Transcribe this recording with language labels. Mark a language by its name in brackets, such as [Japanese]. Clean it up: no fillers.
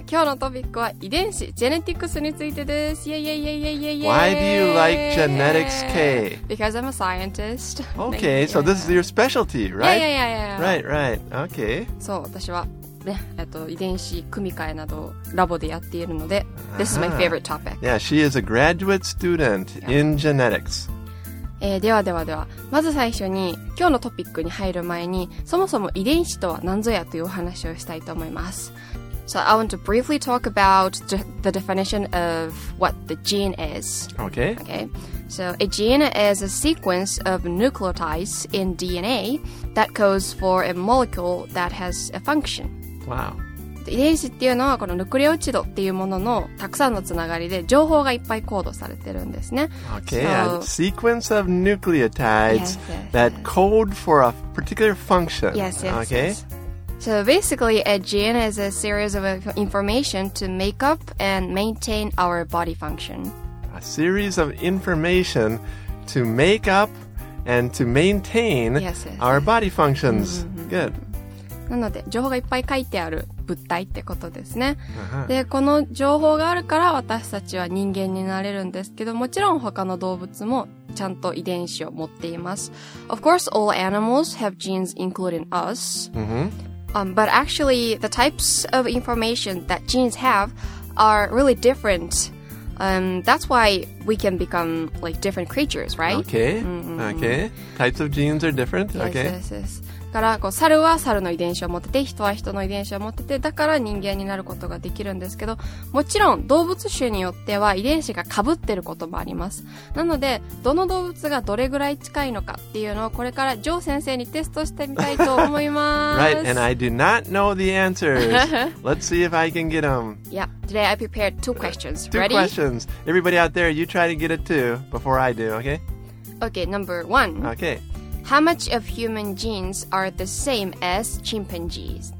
[Japanese] 今日のトピックは遺伝子ジェネティクスについてです。 [English] Yeah, yeah, yeah, yeah, yeah, yeah. Why do you like genetics, K? Because I'm a scientist. Okay, so this is your specialty, right? Yeah, yeah, yeah, yeah. Right, right. Okay. [Japanese] そう、私はね、遺伝子組み換えなどをラボでやっているので、 [English] This is my favorite topic. Yeah, she is a graduate student in genetics. [Japanese] ではではでは、まず最初に今日のトピックに入る前に、そもそも遺伝子とは何ぞやというお話をしたいと思います。 [English] So I want to briefly talk about the definition of what the gene is. Okay. Okay. So a gene is a sequence of nucleotides in DNA that codes for a molecule that has a function. Wow. [Japanese] 遺伝子っていうのはこのヌクレオチドっていうもののたくさんのつながりで情報がいっぱいコードされてるんですね。 [English] Okay, so, a sequence of nucleotides yes, yes, yes. that code for a particular function. Yes, yes, okay. yes. So basically, a gene is a series of information to make up and maintain our body function. A series of information to make up and to maintain yes, yes, our yes. body functions. Good. [Japanese] なので、情報がいっぱい書いてある物体ってことですね。で、この情報があるから私たちは人間になれるんですけど、もちろん他の動物もちゃんと遺伝子を持っています。 [English] Of course, all animals have genes including us. Mm-hmm. But actually, the types of information that genes have are really different. That's why we can become like different creatures, right? Okay. Mm-hmm. Okay. Types of genes are different. Yes, okay. Yes. Yes. [Japanese] だからこう猿は猿の遺伝子を持ってて、人は人の遺伝子を持ってて、だから人間になることができるんですけど、もちろん動物種によっては遺伝子が被ってることもあります。なので、どの動物がどれぐらい近いのかっていうのをこれからジョー先生にテストしてみたいと思います。 [English] Right, and I do not know the answers. Let's see if I can get them. Yeah, today I prepared two questions. Two Ready? Questions. Everybody out there, you try to get it too before I do, okay? Okay, number one. Okay. How much of human genes are the same as chimpanzees?